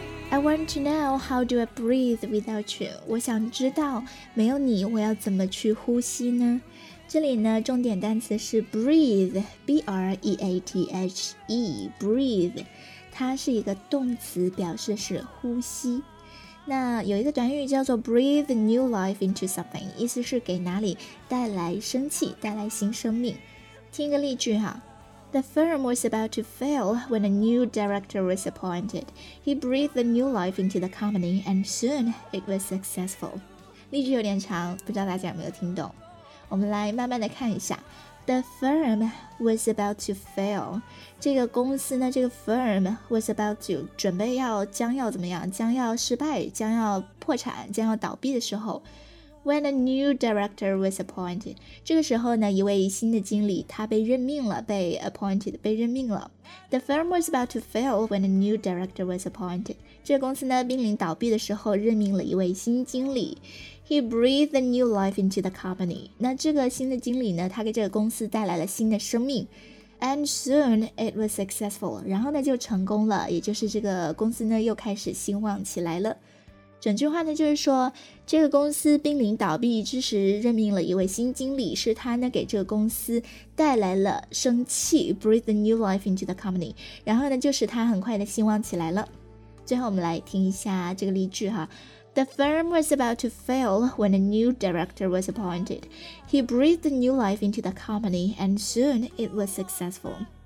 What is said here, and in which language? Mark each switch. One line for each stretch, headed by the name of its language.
English: I want to know how do I breathe without you?
Chinese: 我想知道没有你我要怎么去呼吸呢？这里呢重点单词是 breathe， B-R-E-A-T-H-E， breathe， 它是一个动词，表示是呼吸。那有一个短语叫做 breathe new life into something， 意思是给哪里带来生气，带来新生命。听个例句哈。
English: The firm was about to fail when a new director was appointed. He breathed a new life into the company, and soon it was successful.
Chinese: 例句有点长，不知道大家有没有听懂？我们来慢慢的看一下。
English: The firm was about to fail.
Chinese: 这个公司呢，这个
English: firm was about to
Chinese: 准备要将要怎么样？将要失败，将要破产，将要倒闭的时候。
English: When a new director was appointed，
Chinese: 这个时候呢，一位新的经理他被任命了，被 appointed， 被任命了。
English: The firm was about to fail when a new director was appointed，
Chinese: 这个公司呢濒临倒闭的时候，任命了一位新经理。
English: He breathed a new life into the company，
Chinese: 那这个新的经理呢，他给这个公司带来了新的生命。
English: And soon it was successful，
Chinese: 然后呢就成功了，也就是这个公司呢又开始兴旺起来了。整句话呢就是说，这个公司濒临倒闭之时，任命了一位新经理，是他呢给这个公司带来了生气，
English: breathe a new life into the company，
Chinese: 然后呢就使他很快的兴旺起来了。最后我们来听一下这个例句哈。
English: The firm was about to fail when a new director was appointed. He breathed a new life into the company and soon it was successful.